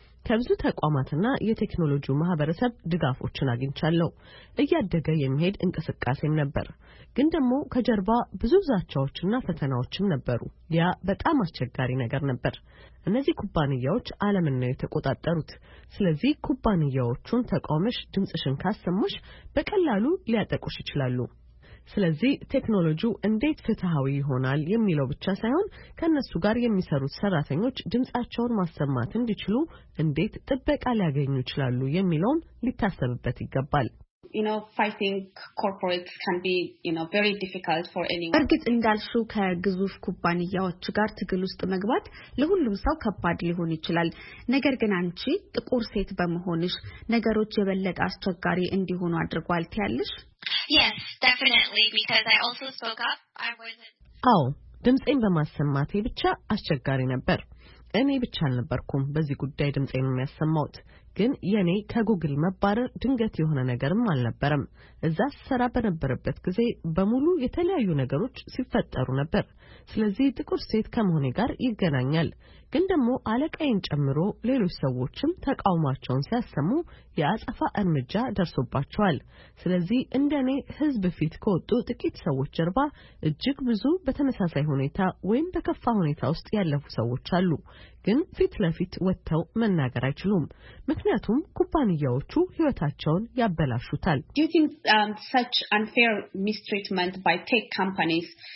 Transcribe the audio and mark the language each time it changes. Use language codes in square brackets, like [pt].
[am] ከብዙ ተቋማትና የቴክኖሎጂ ማህበረሰብ ድጋፎችን አግኝቻለሁ። እያደገ የሚሄድ እንቅስቃሴም ነበር። ግን ደግሞ ከጀርባ ብዙ ዛቻዎችና ፈተናዎችም ነበሩ። ያ በጣም አስቸጋሪ ነገር ነበር። እነዚህ ኩባንያዎች ዓለምን ነው የተቆጣጠሩት። ስለዚህ ኩባንያዎቹን ተቃውመሽ ድምጽሽን ካሰማሽ በቀላሉ ሊያጠቁሽ ይችላሉ። ስለዚህ ቴክኖሎጂው እንዴት ፍትሃዊ ይሆናል የሚለው ብቻ ሳይሆን ከነሱ ጋር የሚሰሩት ሰራተኞች ድምጻቸውን ማሰማት እንዲችሉ እንዴት ጥበቃ ሊያገኙ ይችላሉ የሚለውም ሊታሰብበት ይገባል። [en] You know, fighting corporates can be, you know, very difficult for anyone. [am] እርግጥ እንዳልሹ ከግዙፍ ኩባንያዎች ጋር ትግል ውስጥ መግባት ለሁሉም ሰው ከባድ ሊሆን ይችላል። ነገር ግን አንቺ ጥቁር ሴት በመሆንሽ ነገሮች የበለጠ አስቸጋሪ እንዲሆኑ አድርጓል ትያለሽ? [en] Yes, definitely, because I also spoke up. [am] አዎ ድምጼን በማሰማቴ ብቻ አስቸጋሪ ነበር። እኔ ብቻ አልነበርኩም በዚህ ጉዳይ ድምጼን የሚያሰማው። ግን የኔ ከጉግል መባረር ድንገት የሆነ ነገርም አልነበረም። እዛ ስራ በነበረበት ጊዜ በሙሉ የተለያዩ ነገሮች ሲፈጠሩ ነበር። ስለዚህ ጥቁር ሴት ከመሆኔ ጋር ይገናኛል። ግን ደግሞ አለቃዬን ጨምሮ ሌሎች ሰዎችም ተቃውሟቸውን ሲያሰሙ የአጸፋ እርምጃ ደርሶባቸዋል። ስለዚህ እንደኔ ህዝብ ፊት ከወጡ ጥቂት ሰዎች ጀርባ እጅግ ብዙ በተመሳሳይ ሁኔታ ወይም በከፋ ሁኔታ ውስጥ ያለፉ ሰዎች አሉ። ግን ፊት ለፊት ወጥተው መናገር አይችሉም። ምክንያቱም ኩባንያዎቹ ህይወታቸውን ያበላሹታል። [en] Do you think such unfair mistreatment by tech companies